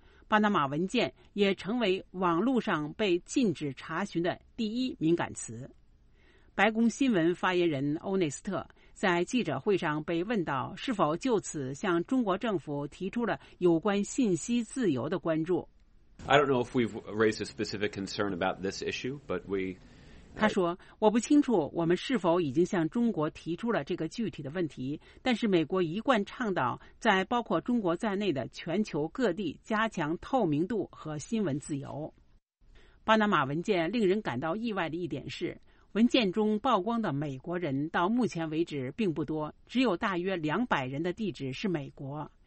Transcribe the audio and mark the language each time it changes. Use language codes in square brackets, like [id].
[zh] 巴拿马文件也成为网络上被禁止查询的第一敏感词。白宫新闻发言人欧内斯特在记者会上被问到是否就此向中国政府提出了有关信息自由的关注。 [en] I don't know if we've raised a specific concern about this issue, but we... [zh] 他说，我不清楚我们是否已经向中国提出了这个具体的问题，但是美国一贯倡导在包括中国在内的全球各地加强透明度和新闻自由。巴拿马文件令人感到意外的一点是，文件中曝光的美国人到目前为止并不多，只有大约200人的地址是美国。